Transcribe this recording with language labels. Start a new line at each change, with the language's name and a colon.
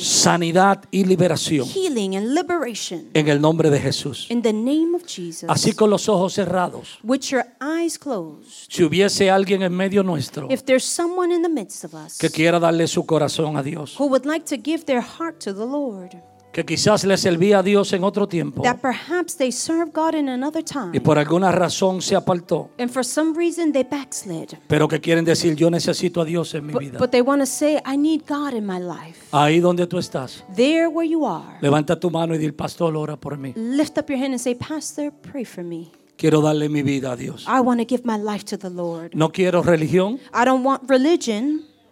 Spanish: Sanidad y liberación.
English: Healing and liberation.
Spanish: En el nombre de Jesús.
English: In the name of Jesus.
Spanish: Así con los ojos cerrados.
English: With your eyes closed.
Spanish: Si hubiese alguien en medio nuestro.
English: If there's someone in the midst of us.
Spanish: Que quiera darle su corazón a Dios.
English: Who would like to give their heart to the Lord.
Spanish: Que quizás le servía a Dios en otro tiempo.
English: That perhaps they served God in another time.
Spanish: Y por alguna razón se apartó.
English: And for some reason they backslid.
Spanish: Pero que quieren decir, yo necesito a Dios en mi vida.
English: But they want to say, I need God in my life.
Spanish: Ahí donde tú estás.
English: There where you are.
Spanish: Levanta tu mano y dile, pastor, ora por mí.
English: Lift up your hand and say, pastor, pray for me.
Spanish: Quiero darle mi vida a Dios.
English: I want to give my life to the Lord.
Spanish: No quiero religión.
English: I don't want religion.